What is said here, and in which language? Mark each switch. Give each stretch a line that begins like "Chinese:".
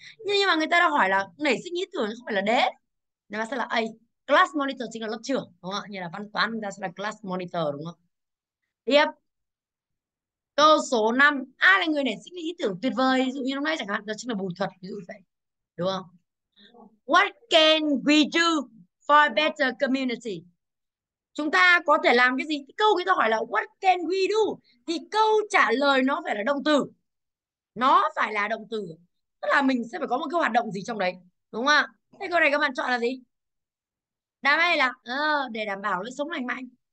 Vietnamese: Nhưng mà người ta đã hỏi là nảy sinh ý tưởng không phải là đế. Đáp án sẽ là A. Class monitor chính là lớp trưởng đúng không? Như là văn toán người ta sẽ là class monitor đúng không? Tiếp. Câu số 5, ai là người nảy sinh ý tưởng tuyệt vời? Ví dụ như hôm nay chẳng hạn, đó chính là bùi thuật ví dụ vậy. Đúng không?
English: What can we do for a better community?
Vietnamese: Chúng ta có thể làm cái gì? Câu người ta hỏi là
English: what can we do
Vietnamese: thì câu trả lời nó phải là động từ. Nó phải là động từ. Tức là mình sẽ phải có một cái hoạt động gì trong đấy, đúng không ạ? Thế câu này các bạn chọn là gì? Đáp án là để đảm bảo lối sống lành mạnh.